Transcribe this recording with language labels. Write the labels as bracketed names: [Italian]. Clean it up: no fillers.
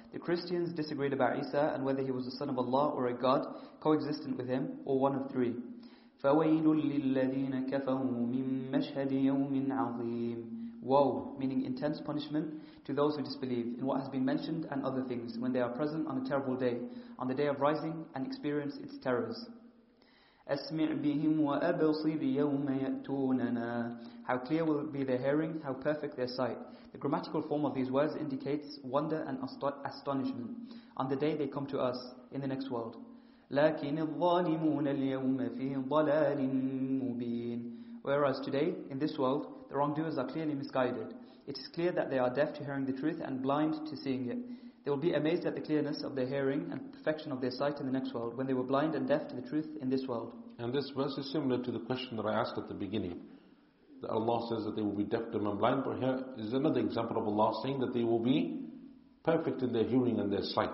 [English] The Christians disagreed about Isa and whether he was the son of Allah or a god, coexistent with him, or one of three. [Arabic] فَوَيْلٌ لِلَّذِينَ كَفَرُوا مِن مَشْهَدِ يَوْمٍ عَظِيمٍ. [English] Woe, meaning intense punishment, to those who disbelieve in what has been mentioned and other things, when they are present on a terrible day, on the day of rising, and experience its terrors. [Arabic] أسمع بهم وأبصر يوم يأتوننا. [English] How clear will be their hearing, how perfect their sight. The grammatical form of these words indicates wonder and astonishment. On the day they come to us, in the next world. [Arabic] لكن الظالمون اليوم في ضلال مبين. [English] Whereas today, in this world, the wrongdoers are clearly misguided. It is clear that they are deaf to hearing the truth and blind to seeing it. They will be amazed at the clearness of their hearing and perfection of their sight in the next world, when they were blind and deaf to the truth in this world. And this verse is similar to the question that I asked at the beginning, that Allah says that they will be deaf, dumb and blind, but here is another example of Allah saying that they will be perfect in their hearing and their sight.